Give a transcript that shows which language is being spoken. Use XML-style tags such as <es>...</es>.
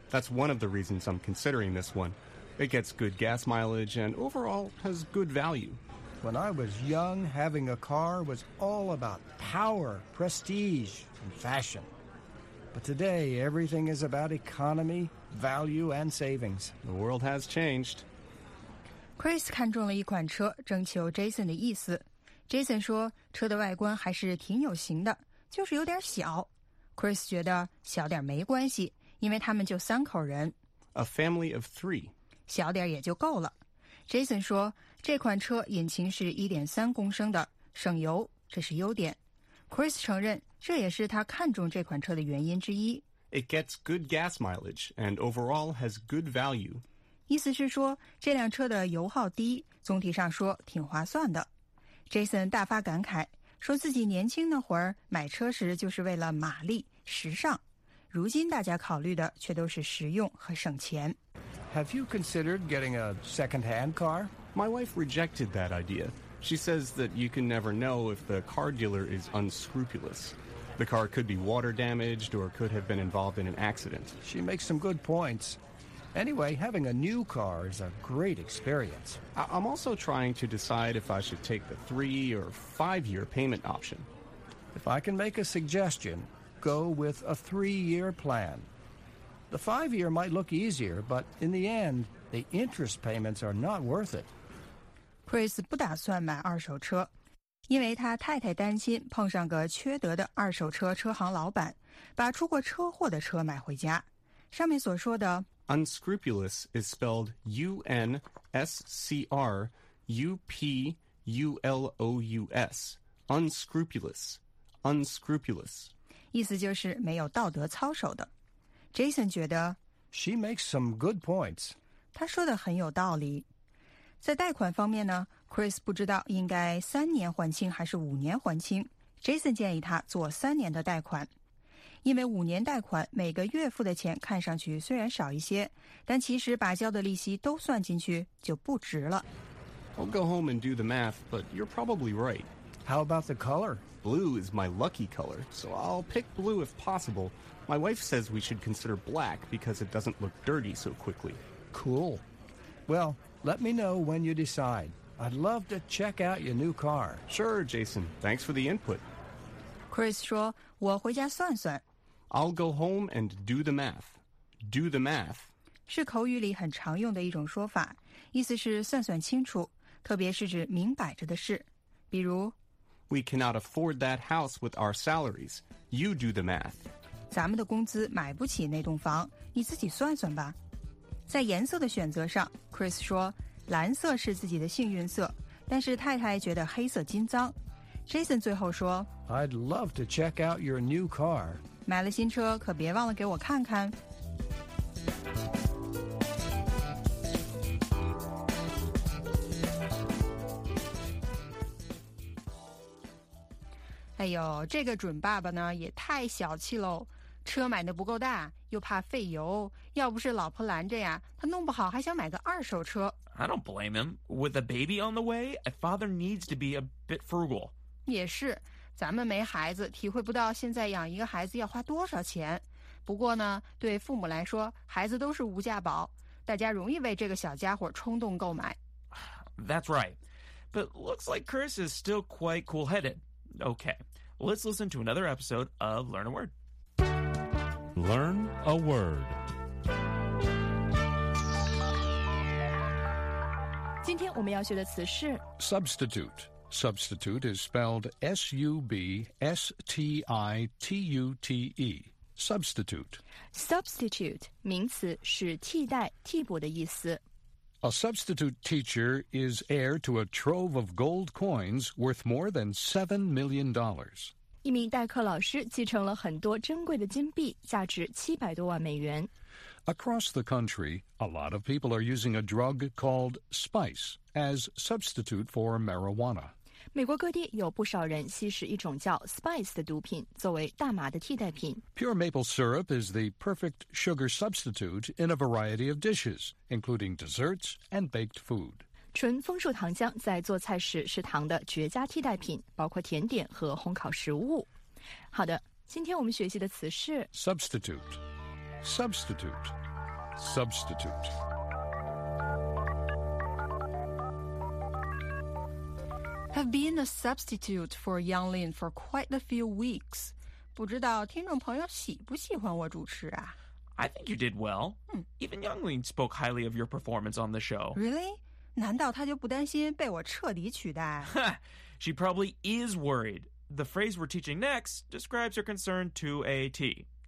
<en>That's one of the reasons I'm considering this one. It gets good gas mileage and overall has good value. When I was young, having a car was all about power, prestige, and fashion. But today, everything is about economy, value, and savings. The world has changed.</en> <zh>Chris 看中了一款车，征求 Jason 的意思。Jason 说，车的外观还是挺有型的，就是有点小。 Chris 觉得小点没关系，因为他们就三口人。</zh> <en>A family of three.</en> <zh>小点也就够了。 Jason 说这款车引擎是 1.3 公升的省油这是优点。 Chris 承认这也是他看中这款车的原因之一。</zh> <en>It gets good gas mileage and overall has good value.</en> <zh>意思是说这辆车的油耗低总体上说挺划算的。 Jason 大发感慨说自己年轻那会儿买车时就是为了马力时尚。如今大家考虑的却都是实用和省钱。</zh> <en>Have you considered getting a second-hand car? My wife rejected that idea. She says that you can never know if the car dealer is unscrupulous. The car could be water damaged or could have been involved in an accident. She makes some good points. Anyway, having a new car is a great experience. I'm also trying to decide if I should take the 3- or 5-year payment option. If I can make a suggestion, go with a 3-year plan. The 5-year might look easier, but in the end, the interest payments are not worth it.</en> <zh>Chris 不打算买二手车，因为他太太担心碰上个缺德的二手车车行老板，把出过车祸的车买回家。上面所说的</zh> <en>Unscrupulous is spelled U-N-S-C-R-U-P-U-L-O-U-S. Unscrupulous. Unscrupulous.</en> <zh>意思就是没有道德操守的。Jason 觉得</zh> <en>She makes some good points.</en> <zh>他说的很有道理。在贷款方面呢， Chris 不知道应该3年还清还是5年还清。 Jason 建议他做3年的贷款。因为5年贷款每个月付的钱看上去虽然少一些，但其实把交的利息都算进去就不值了。</zh> <en>I'll go home and do the math, but you're probably right. How about the color? Blue is my lucky color, so I'll pick blue if possible. My wife says we should consider black because it doesn't look dirty so quickly. Cool. Well, let me know when you decide. I'd love to check out your new car. Sure, Jason. Thanks for the input.</en> <zh>Chris 说，我回家算算。</zh> <en>I'll go home and do the math. Do the math</en> <zh>是口语里很常用的一种说法，意思是算算清楚，特别是指明摆着的事。比如，</zh> <en>We cannot afford that house with our salaries. You do the math.</en> <zh>咱们的工资买不起那栋房，你自己算算吧。在颜色的选择上， Chris 说蓝色是自己的幸运色，但是太太觉得黑色金脏。 Jason 最后说，</zh> <en>I'd love to check out your new car.</en> <zh>买了新车可别忘了给我看看。哎呦，这个准爸爸呢也太小气喽，车买的不够大又怕费油，要不是老婆拦着呀，他弄不好还想买个二手车。</zh> <en>I don't blame him. With a baby on the way, a father needs to be a bit frugal.</en> <zh>也是，咱们没孩子体会不到现在养一个孩子要花多少钱。不过呢，对父母来说孩子都是无价宝，大家容易为这个小家伙冲动购买。</zh> <en>That's right. But looks like Chris is still quite cool-headed. Okay, let's listen to another episode of Learn a Word. Learn a Word.</en> <zh>今天我们要学的词是</zh> <en>Substitute. Substitute is spelled S-U-B-S-T-I-T-U-T-E. Substitute.</en> <zh>Substitute, 名词是替代、替补的意思。</zh> <en>A substitute teacher is heir to a trove of gold coins worth more than $7 million.</en> <zh>一名代课老师继承了很多珍贵的金币，价值700多万美元。</zh> <en>Across the country, a lot of people are using a drug called spice as substitute for marijuana.</en> <zh>美国各地有不少人吸食一种叫 spice 的毒品，作为大麻的替代品。</zh> <en>Pure maple syrup is the perfect sugar substitute in a variety of dishes, including desserts and baked food.</en> <zh>纯枫树糖浆在做菜时是糖的绝佳替代品，包括甜点和烘烤食物。好的，今天我们学习的词是</zh> <en>substitute, substitute, substitute. I've been a substitute for Yang Lin for quite a few weeks.</en> <zh>不知道听众朋友喜不喜欢我主持啊？</zh> <en>I think you did well. Even Yang Lin spoke highly of your performance on the show. Really?</en> <zh>难道他就不担心被我彻底取代？</zh> <en>She probably is worried. The phrase we're teaching next describes her concern to a T.</en>